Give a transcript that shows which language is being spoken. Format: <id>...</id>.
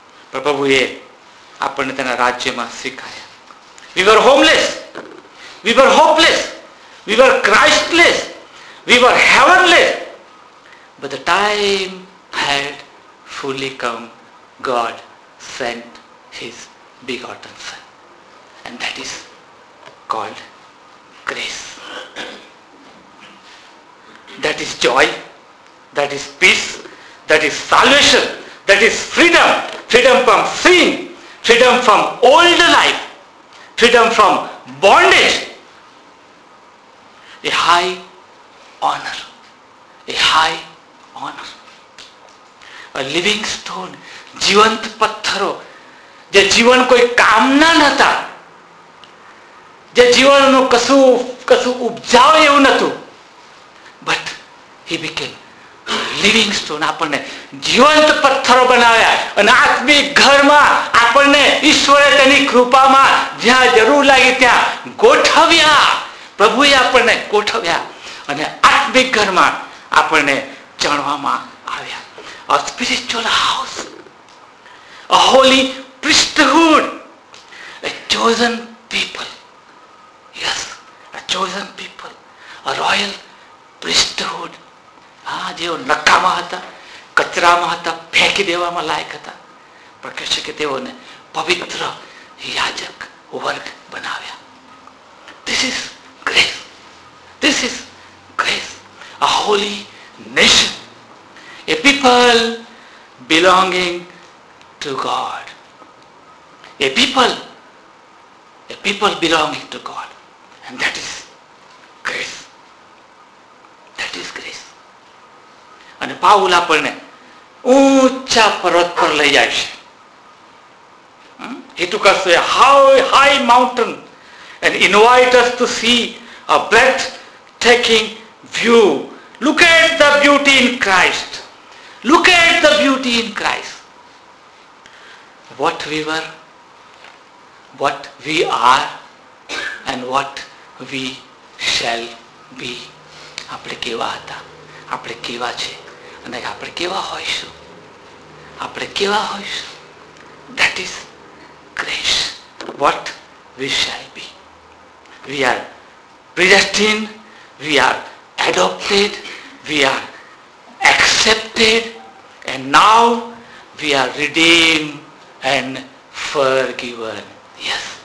<gu>પ્રભુએ આપણને તેના રાજ્યમાં સ્વીકાર્યા.</gu> <en>We were homeless, we were hopeless, we were Christless, we were heavenless, but the time had fully come, God sent His begotten Son. And that is called grace. That is joy, that is peace, that is salvation, that is freedom. Freedom from sin, freedom from old life, freedom from bondage. A high honor, a high honor. A living stone,</en> <gu>જીવંત પથ્થરો, જે જીવન કોઈ કામના નહોતા, જે જીવનનો કશું ઉપજાવ એવું નહોતું,</gu> <en>But he became living stone.</en> <gu>આપણને જીવંત પથ્થરો બનાવ્યા, અને આત્મિક ઘરમાં આપણને ઈશ્વરે તેની કૃપામાં જ્યાં જરૂર લાગી ત્યાં ગોઠવ્યા. પ્રભુએ આપણને ગોઠવ્યા, અને આત્મિક ઘરમાં આપણને ચણવામાં આવ્યા.</gu> <en>A spiritual house, a holy priesthood, a chosen people, yes, a chosen people, a royal priesthood.</en> <gu>જેઓ નકામા હતા, કચરામાં હતા, ફેંકી દેવામાં લાયક હતા, પ્રકાશ કે તેઓને પવિત્ર યાજક વર્ગ બનાવ્યા.</gu> <en>This is grace, this is grace, a holy nation, a people belonging to God, a people belonging to God, and that is grace, that is grace.</en> <gu>અને પાઉલ આપણને ઊંચા પર્વત પર લઈ જાય છે.</gu> <en>He took us to a high mountain and invite us to see a breathtaking view. Look at the beauty in Christ. Look at the beauty in Christ. What we were, what we are, and what we shall be.</en> <gu>આપણે કેવા હતા, આપણે કેવા છે, અને આપણે કેવા હોઈશું, આપણે કેવા હોઈશું.</gu> <en>That is grace. What we shall be. We are predestined, we are adopted, we are accepted. And now we are redeemed and forgiven. Yes.</en>